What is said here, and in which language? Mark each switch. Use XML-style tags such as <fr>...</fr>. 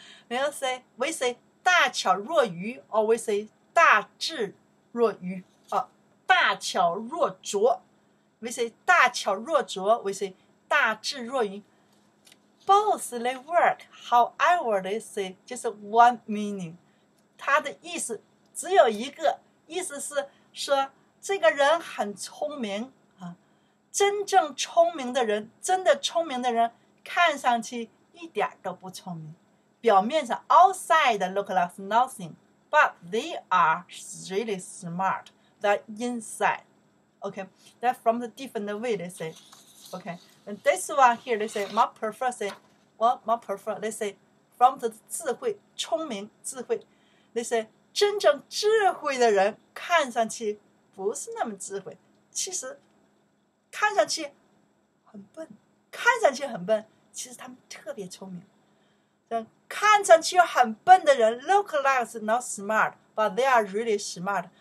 <en>Then you say, we say</en> <zh>大巧若愚</zh> <en>or we say</en> <zh>大智若愚 大巧若拙。</zh> <en>We say</en> <zh>大巧若拙</zh> <en>we say</en> <zh>大智若愚</zh> <en>Both they work, however they say just one meaning.</en> <zh>它的意思只有一个意思是说这个人很聪明、啊、真正聪明的人真的聪明的人看上去一点都不聪明。表面上</zh> <en>outside look like nothing, but they are really smart, the inside. Okay, that from the different way they say. Okay, and this one here they say, my prefer say, well, my prefer, they say, from the</en> <zh>智慧聪明智慧</zh> <en>they say,</en> <zh>真正智慧的人看上去不是那么智慧其实看上去很笨看上去很笨其实他们特别聪明看上去很笨的人</zh> <en>look like is not smart, but they are really smart.</en>